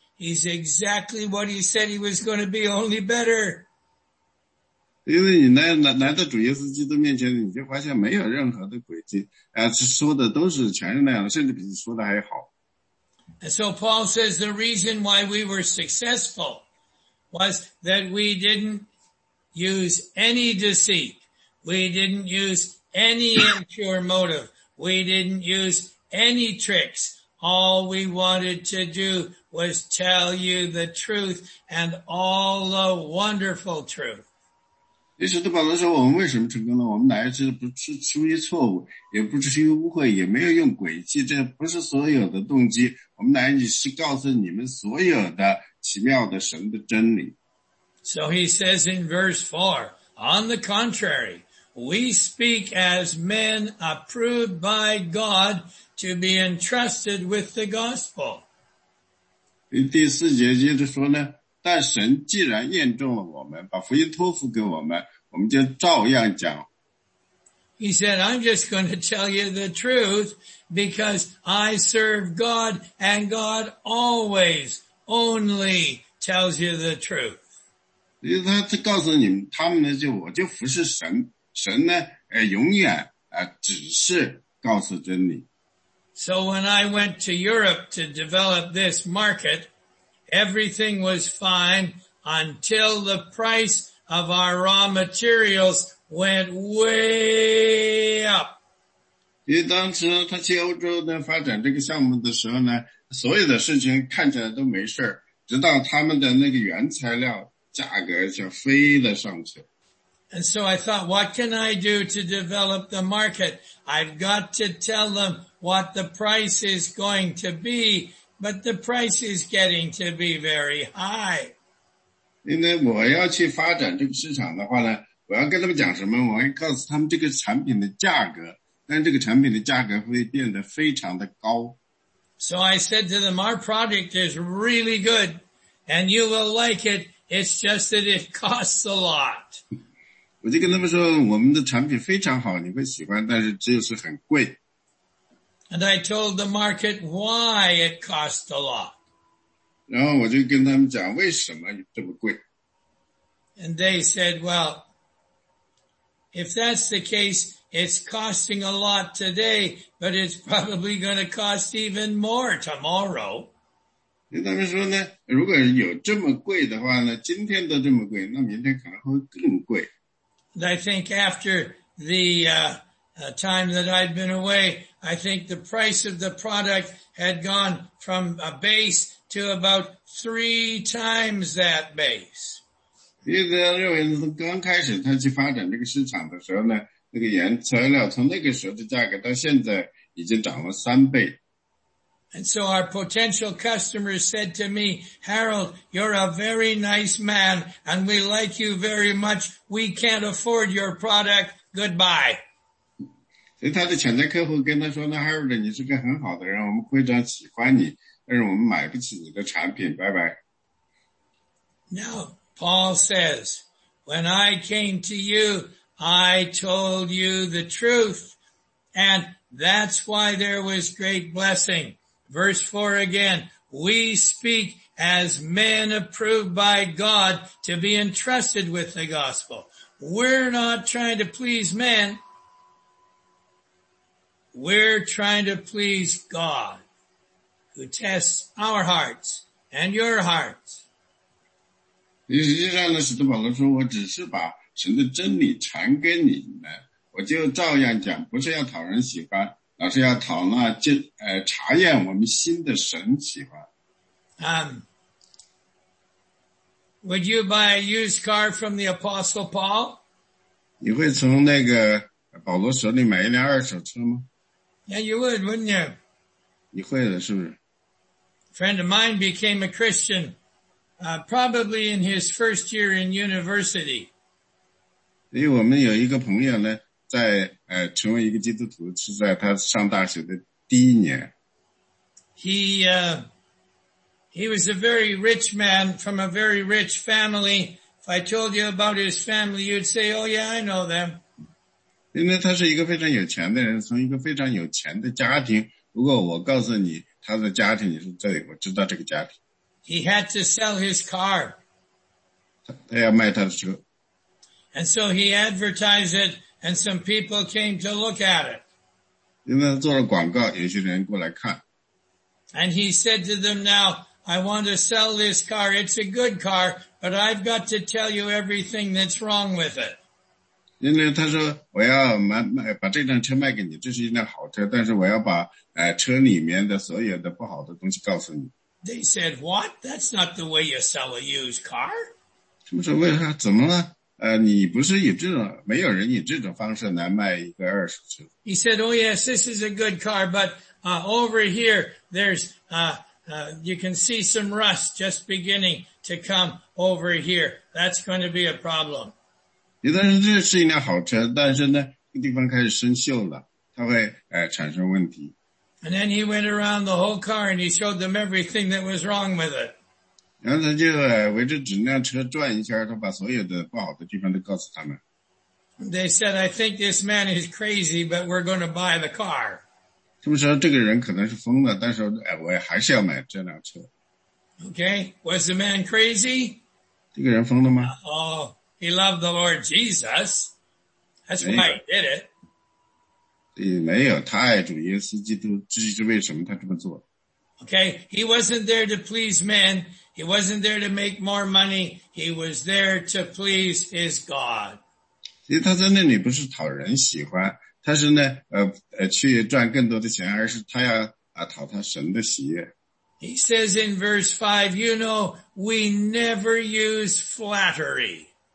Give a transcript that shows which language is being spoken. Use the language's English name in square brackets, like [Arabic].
[English] He's exactly what he said he was going to be, only better. [Chinese] 因为你来到主耶稣基督面前，你就发现没有任何的诡计，说的都是全是那样的，甚至比你说的还好。 [English] And so Paul says the reason why we were successful was that we didn't use any deceit. We didn't use any impure motive. We didn't use any tricks. All we wanted to do was tell you the truth and all the wonderful truth. [Chinese] 于是保罗说我们为什么成功呢？我们来自不是出于错误，也不是出于污秽，也没有用诡计，这不是所有的动机。我们来只是告诉你们所有的奇妙的神的真理。 [English] So he says in verse 4, on the contrary, we speak as men approved by God to be entrusted with the gospel. [Chinese] 第四节接着说呢，但神既然验证了我们，把福音托付给我们，我们就照样讲。 [English] He said, I'm just going to tell you the truth because I serve God and God always only tells you the truth. [Chinese] 他告诉你们，他们呢就我就服侍神，神呢永远只是告诉真理。 [English] So when I went to Europe to develop this market, everything was fine until the price of our raw materials went way up. [Chinese] 因为当时他去欧洲呢发展这个项目的时候呢，所有的事情看起来都没事，直到他们的那个原材料价格就飞了上去。 [English] And so I thought, what can I do to develop the market? I've got to tell them what the price is going to be. But the price is getting to be very high. [Chinese] 因为我要去发展这个市场的话呢，我要跟他们讲什么？我要告诉他们这个产品的价格，但这个产品的价格会变得非常的高。 [English] So I said to them, our product is really good, and you will like it. It's just that it costs a lot. [Chinese] 我就跟他们说，我们的产品非常好，你会喜欢，但是就是很贵。 [English] And I told the market why it cost a lot. [Chinese] 然后我就跟他们讲为什么这么贵。 [English] And they said, well, if that's the case, it's costing a lot today, but it's probably going to cost even more tomorrow. [Chinese] 因为他们说呢，如果有这么贵的话呢，今天都这么贵，那明天可能会更贵。 [English] And I think after the, time that I'd been away, I think the price of the product had gone from a base to about three times that base. [Chinese] 一直到六零年代刚开始他去发展这个市场的时候呢，那个原材料从那个时候的价格到现在已经涨了三倍。 [English] And so our potential customer said to me, Harold, you're a very nice man, and we like you very much. We can't afford your product. Goodbye. [Chinese] 所以他的潜在客户跟他说呢， Harold, 你是个很好的人，我们非常喜欢你，但是我们买不起你的产品，拜拜。 [English] Now, Paul says, when I came to you, I told you the truth, and that's why there was great blessing. Verse 4 again, we speak as men approved by God to be entrusted with the gospel. We're not trying to please men. We're trying to please God who tests our hearts and your hearts. [Chinese] 实际上呢，使徒保罗说，我只是把神的真理传给你们，我就照样讲，不是要讨人喜欢。而是要讨论查验我们心的神喜欢。 [English] Would you buy a used car from the Apostle Paul? [Chinese] 你会从那个保罗手里买一辆二手车吗？ [English] Yeah, you would, wouldn't you? [Chinese] 你会的，是不是？ [English] A friend of mine became a Christian, probably in his first year in university. [Chinese] 所以我们有一个朋友呢，在成为一个基督徒是在他上大学的第一年。 [English] He was a very rich man from a very rich family. If I told you about his family, you'd say, oh yeah, I know them. [Chinese] 因为他是一个非常有钱的人，从一个非常有钱的家庭。如果我告诉你他的家庭，你说对，我知道这个家庭。 [English] He had to sell his car. [Chinese] 他要卖他的车。 [English] And so he advertised it. And some people came to look at it. [Chinese] 因为他做了广告，有些人过来看。 [English] And he said to them, now, I want to sell this car. It's a good car, but I've got to tell you everything that's wrong with it. [Chinese] 因为他说，我要把这辆车卖给你，这是一辆好车，但是我要把车里面的所有的不好的东西告诉你。 [English] They said, what? That's not the way you sell a used car. [Chinese] 他们说，为啥？怎么了？你不是以这种，没有人以这种方式来卖一个二手车。 [English] He said, oh yes, this is a good car, but, over here, you can see some rust just beginning to come over here. That's going to be a problem. [Chinese] 有的人这是一辆好车，但是呢，这个地方开始生锈了，它会产生问题。 [English] And then he went around the whole car and he showed them everything that was wrong with it. [Chinese] 然后他就围着整辆车转一圈，他把所有的不好的地方都告诉他们。 [English] They said, I think this man is crazy, but we're going to buy the car. [Chinese] 他们说这个人可能是疯了，但是我还是要买这辆车。 [English] Okay, was the man crazy? [Chinese] 这个人疯了吗？ [English] Oh, he loved the Lord Jesus. That's why he did it. [Chinese] 没有，他爱主耶稣基督，这是为什么他这么做。 [English] Okay, he wasn't there to please men. He wasn't there to make more money. He was there to please his God. [Chinese] 其实他在那里不是讨人喜欢，他是呢，去赚更多的钱，而是他要讨他神的喜悦。 [English] He says in verse 5, you know, we never use flattery.